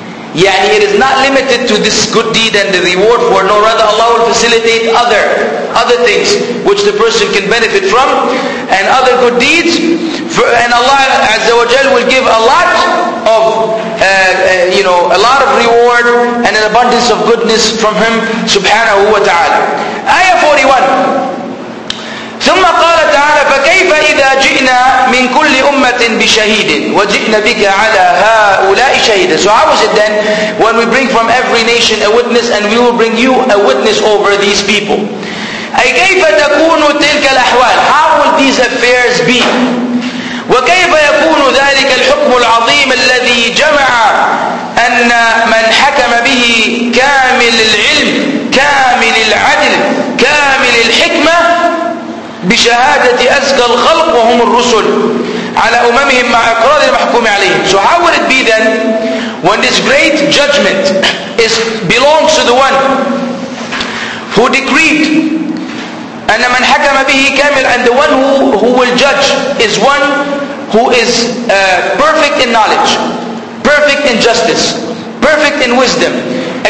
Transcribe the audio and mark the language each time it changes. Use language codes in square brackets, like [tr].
[en] Yani it is not limited to this good deed and the reward for it, no, rather Allah will facilitate other things which the person can benefit from, and other good deeds, and Allah Azza wa Jal will give a lot of a lot of reward and an abundance of goodness from him, subhanahu wa ta'ala. Ayah 41. [ar] ثم قال تعالى فكيف إذا جئنا من كل أمة بشهيد وجئنا بك على هؤلاء شهيدا. [en] So how is it then when we bring from every nation a witness and we will bring you a witness over these people. [ar] أي كيف تكون تلك الأحوال. [en] How will these affairs be. [ar] وكيف يكون ذلك الحكم العظيم الذي جمع أن من حكم به كامل العلم كامل العدل كامل الحكمة بشهادة أزكى الخلق وهم الرسل على أممهم مع إقرار المحكوم عليهم. [en] So how would it be then when this great judgment belongs to the one who decreed [ar] أن من حكم به كامل, [en] and the one who will judge is one who is perfect in knowledge, perfect in justice, perfect in wisdom, a